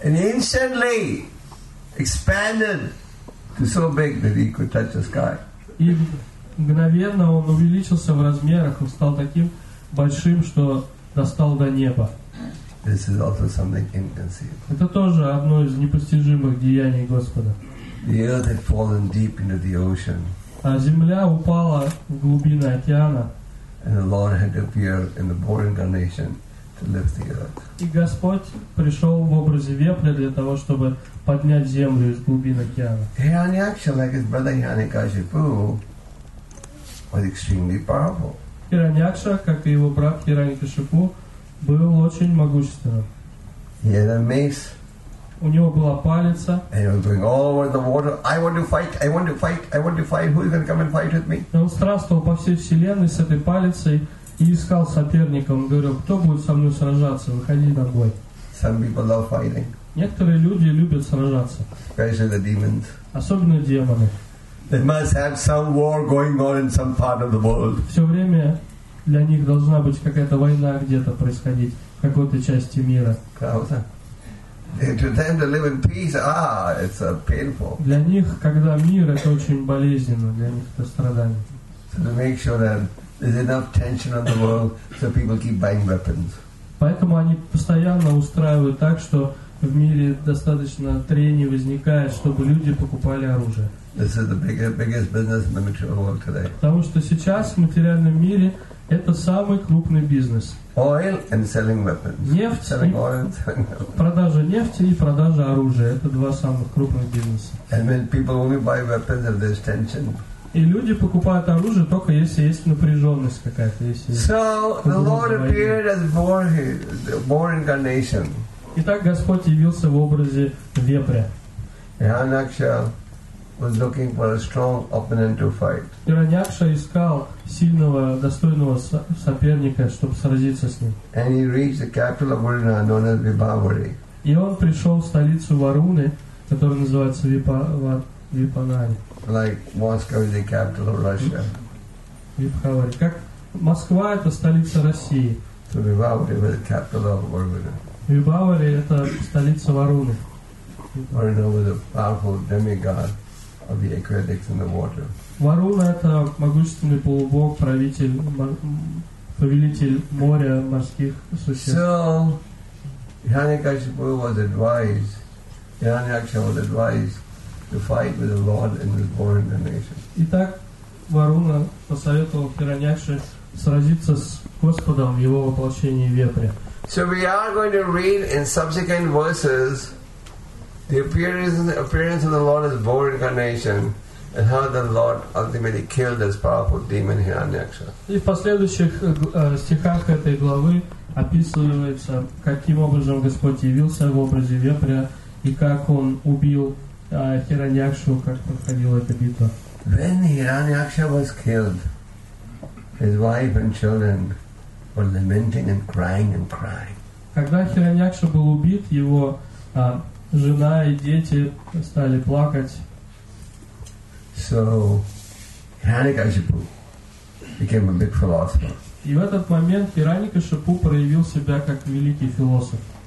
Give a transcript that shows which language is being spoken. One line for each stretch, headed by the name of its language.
English: And instantly expanded to so big that he could touch the sky.
Russian: И мгновенно он увеличился в размерах, он стал таким большим, что достал до неба.
English: This is also something inconceivable.
Russian: Это тоже одно из непостижимых деяний Господа.
English: The earth had fallen deep into the ocean.
Russian: А земля упала в глубины океана.
English: And the Lord had appeared in the boar incarnation to lift the earth.
Russian: И Господь пришел в образе вепря для того, чтобы поднять землю из глубин океана.
English: Hiranyaksha, like his brother Hiranyakashipu, was extremely powerful.
Russian: Hiranyaksha, как и его брат Hiranyakashipu, был очень могущественным.
English: He had a mace.
Russian: У него была палица.
English: And he was going all over the water. I want to fight. I want to fight. I want to fight. Who is going to come and fight with me?
Russian: Он страствовал по всей вселенной с этой палицей и искал соперника. Он говорил, кто будет со мной сражаться? Выходи на бой.
English: Some people love fighting.
Russian: Некоторые люди любят сражаться.
English: Especially the demons.
Russian: Особенно демоны.
English: They must have some war going on in some part of the world.
Russian: Все время для них должна быть какая-то война где-то происходить в какой-то части мира. Правда?
English: To them to live in peace, it's painful.
Russian: Для них, когда мир, это очень болезненно, для них это страдание.
English: So to make sure that there's enough tension on the world, so people keep buying weapons.
Russian: Поэтому они постоянно устраивают так, что в мире достаточно трений возникает, чтобы люди покупали оружие.
English: This is the biggest business in the material world today.
Russian: Потому что сейчас в материальном мире это самый крупный бизнес.
English: Oil and selling weapons.
Russian: Нефть
English: selling oil and selling weapons.
Russian: Продажа нефти и продажа оружия. Это два самых крупных бизнеса.
English: And when people only buy weapons if there's tension.
Russian: И люди покупают оружие только если есть напряженность какая-то. Если
English: so the Lord appeared as born incarnation.
Russian: Итак, Господь явился в образе вепря.
English: Hiranyaksha was looking for a strong opponent to fight.
Russian: Hiranyaksha искал сильного, достойного соперника, чтобы сразиться с ним.
English: And he reached the capital of Varuna, known as Vibhavari.
Russian: И он пришел в столицу Варуны, которая называется Vipanari.
English: Like Moscow is the capital of Russia. Vibhavari.
Russian: Как Москва это столица России.
English: So Vibhavari was the capital of Varuna.
Russian: Vibhavari – это столица Варуны.
English: Varuna was a powerful demigod of the aquatics in the water.
Russian: Варуна – это могущественный полубог, повелитель моря, морских существ.
English: So, Hiranyakashipu was advised to fight with the Lord in his born incarnation.
Russian: Итак, Варуна посоветовал Хираньякше сразиться с Господом в его воплощении в вепре.
English: So we are going to read in subsequent verses the appearance of the Lord as born incarnation and how the Lord ultimately killed this powerful demon Hiranyaksha.
Russian: И в последующих стихах этой главы описывается, каким образом Господь явился в образе вепря и как он убил Хираньякшу, как проходила эта битва.
English: When Hiranyaksha was killed, his wife and children were lamenting and crying and crying.
Russian: Когда Хираньякша был убит, его жена и дети стали плакать.
English: So Hiranyakashipu became a big philosopher.
Russian: И в этот момент Хираньякашипу проявил себя как великий философ.